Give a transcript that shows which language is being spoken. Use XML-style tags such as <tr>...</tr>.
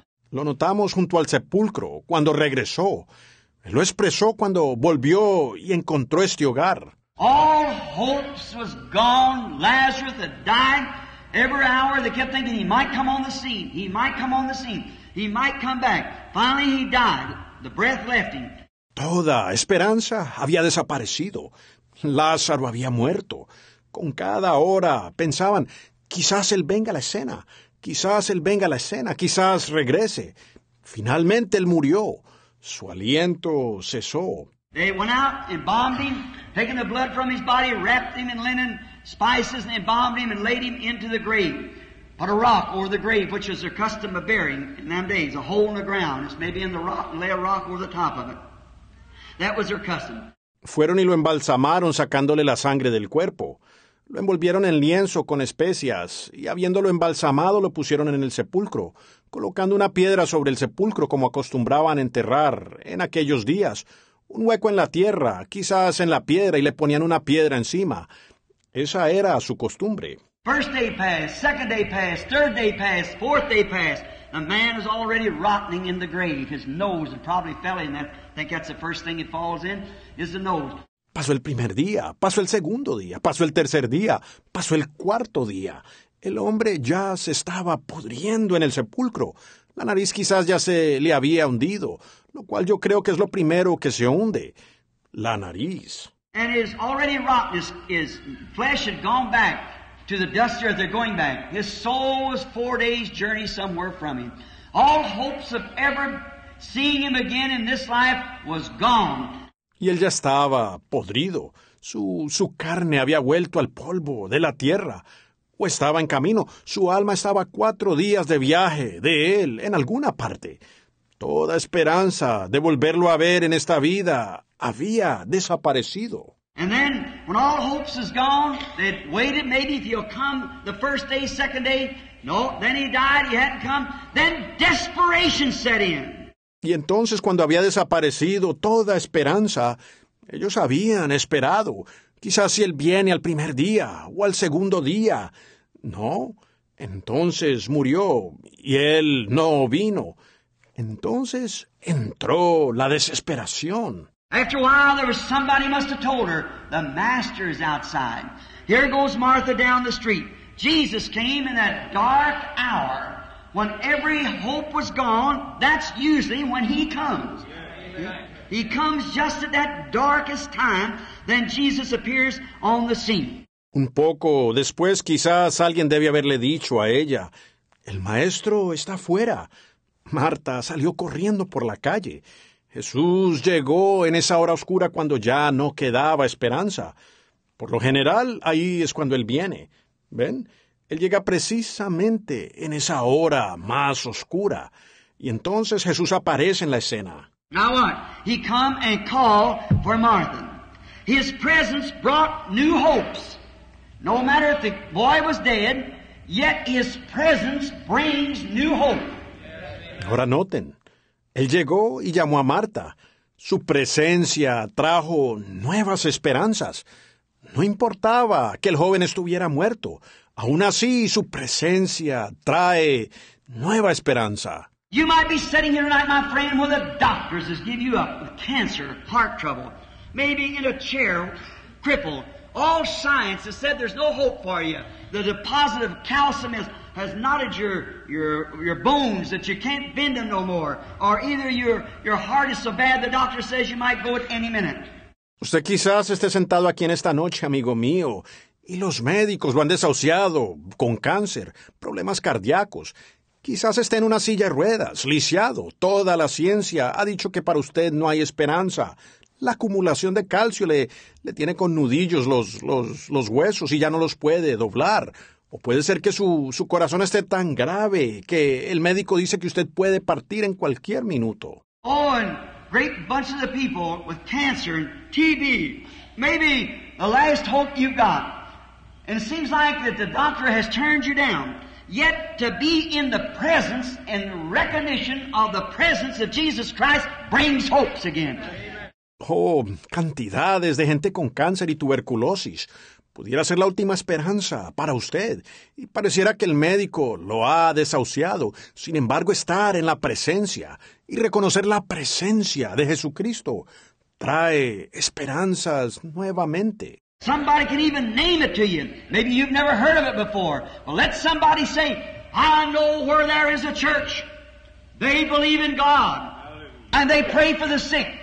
<es>Lo notamos junto al sepulcro cuando regresó. Él lo expresó cuando volvió y encontró este hogar.</es> <en>All hopes was gone. Lazarus had died. Every hour they kept thinking he might come on the scene. He might come on the scene. He might come back. Finally he died. The breath left him.</en> <es>Toda esperanza había desaparecido. Lázaro había muerto. Con cada hora pensaban, quizás él venga a la escena. Quizás él venga a la escena. Quizás regrese. Finalmente él murió. Su aliento cesó.</es> <en>They went out, embalmed him, taking the blood from his body, wrapped him in linen, spices, and embalmed him and laid him into the grave. Put a rock over the grave, which is their custom of burying in them days, a hole in the ground. It's maybe in the rock, and lay a rock over the top of it. That was their custom.</en> <es>Fueron y lo embalsamaron, sacándole la sangre del cuerpo. Lo envolvieron en lienzo con especias, y habiéndolo embalsamado, lo pusieron en el sepulcro, colocando una piedra sobre el sepulcro como acostumbraban enterrar en aquellos días. Un hueco en la tierra, quizás en la piedra, y le ponían una piedra encima. Esa era su costumbre.</es> <en>First day passed, second day passed, third day passed, fourth day passed. The man is already rotting in the grave. His nose had probably fell in that. I think that's the first thing it falls in, is the nose.</en> <es>Pasó el primer día, pasó el segundo día, pasó el tercer día, pasó el cuarto día. El hombre ya se estaba pudriendo en el sepulcro. La nariz quizás ya se le había hundido, lo cual yo creo que es lo primero que se hunde, la nariz.</es> <en>And his already rotten, his flesh had gone back to the dust earth, they're going back. His soul was 4 days' journey somewhere from him. All hopes of ever seeing him again in this life was gone.</en> <es>Y él ya estaba podrido, su carne había vuelto al polvo de la tierra. O estaba en camino. Su alma estaba 4 días de viaje de él en alguna parte. Toda esperanza de volverlo a ver en esta vida había desaparecido.</es> <en>And then, when all hopes is gone, they'd waited maybe if he'll come the first day, second day. No, then he died, he hadn't come. Then desperation set in.</en> <es>Y entonces, cuando había desaparecido toda esperanza, ellos habían esperado. Quizás si él viene al primer día o al segundo día. No, entonces murió y él no vino. Entonces entró la desesperación.</es> <en>After a while, there was somebody must have told her, the master is outside. Here goes Martha down the street. Jesus came in that dark hour when every hope was gone. That's usually when he comes. He comes just at that darkest time. Then Jesus appears on the scene.</en> <es>Un poco después, quizás alguien debe haberle dicho a ella, el maestro está fuera. Marta salió corriendo por la calle. Jesús llegó en esa hora oscura cuando ya no quedaba esperanza. Por lo general, ahí es cuando él viene. ¿Ven? Él llega precisamente en esa hora más oscura. Y entonces Jesús aparece en la escena.</es> <en>Now what? He come and called for Martha. His presence brought new hopes. No matter if the boy was dead, yet his presence brings new hope.</en> <es>Ahora noten, él llegó y llamó a Marta. Su presencia trajo nuevas esperanzas. No importaba que el joven estuviera muerto. Aún así, su presencia trae nueva esperanza.</es> <en>You might be sitting here tonight, my friend, where the doctors has given you up with cancer, heart trouble. Maybe in a chair, crippled. All science has said there's no hope for you. The deposit of calcium has knotted your bones that you can't bend them no more. Or either your heart is so bad the doctor says you might go at any minute.</en> <es>Usted quizás esté sentado aquí en esta noche, amigo mío, y los médicos lo han desahuciado con cáncer, problemas cardíacos. Quizás esté en una silla de ruedas, lisiado. Toda la ciencia ha dicho que para usted no hay esperanza. La acumulación de calcio le tiene con nudillos los huesos y ya no los puede doblar. O puede ser que su corazón esté tan grave que el médico dice que usted puede partir en cualquier minuto.</es> <en>Oh, and great bunch of the people with cancer and TB. Maybe the last hope you've got. And it seems like that the doctor has turned you down. Yet to be in the presence and recognition of the presence of Jesus Christ brings hopes again.</en> <es>Oh, cantidades de gente con cáncer y tuberculosis. Pudiera ser la última esperanza para usted. Y pareciera que el médico lo ha desahuciado. Sin embargo, estar en la presencia y reconocer la presencia de Jesucristo trae esperanzas nuevamente.</es> <en>Somebody can even name it to you. Maybe you've never heard of it before. Well, let somebody say, I know where there is a church. They believe in God. And they pray for the sick.</en>